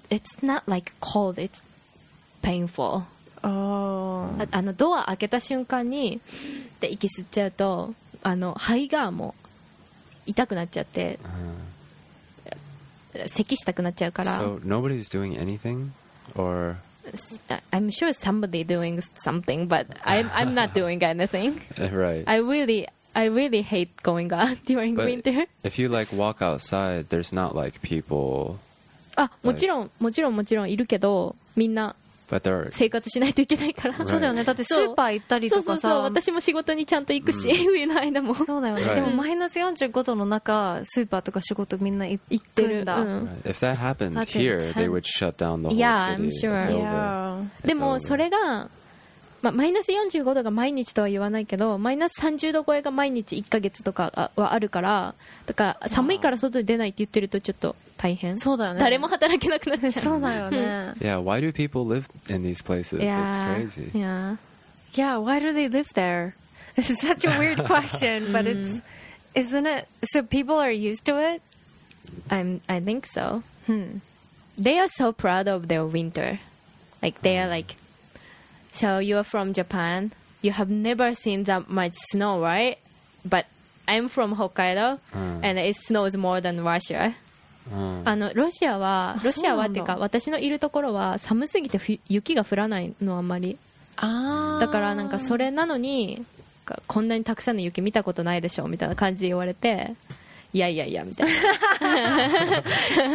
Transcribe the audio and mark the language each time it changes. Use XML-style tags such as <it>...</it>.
<en>it's not like cold. It's painful. Oh.</en> <ja>あのドア開けた瞬間にで息吸っちゃうとあの肺がもう痛くなっちゃって、咳したくなっちゃうから。</ja> <en>So nobody is doing anything, or I'm sure somebody doing something, but I'm not doing anything. Right. I really hate going out during But winter. If you like walk outside, there's not like people.</en> <ja>あ、もちろん、もちろん、もちろんいるけど、みんな生活しないといけないから。そうだよね。だってスーパー行ったりとかさ。そうそうそう。私も仕事にちゃんと行くし、冬の間も。そうだよね。でもマイナス45度の中、スーパーとか仕事みんな行ってるんだ。</ja> <en>If that happened here, they would shut down the whole city. Yeah, I'm sure.</en> <ja>でもそれが。まあ、マイナス45度が毎日とは言わないけどマイナス30度超えが毎日1ヶ月とかはあるからだから寒いから外に出ないって言ってるとちょっと大変そうだよね誰も働けなくなっちゃうそうだよね</ja> <en>Yeah, why do people live in these places? It's crazy Yeah, yeah, why do they live there? This is such a weird question but it's isn't it so people are used to it? I think so、 hmm. They are so proud of their winter like they are likeSo you are from Japan. You have never seen that much snow, right? But I'm from Hokkaido, and it snows more than Russia.</en> <ja>あの、ロシアはってか、私のいるところは寒すぎて雪が降らないのあんまり。だからなんかそれなのに、こんなにたくさんの雪見たことないでしょみたいな感じで言われて、いやいやいやみたいな</ja>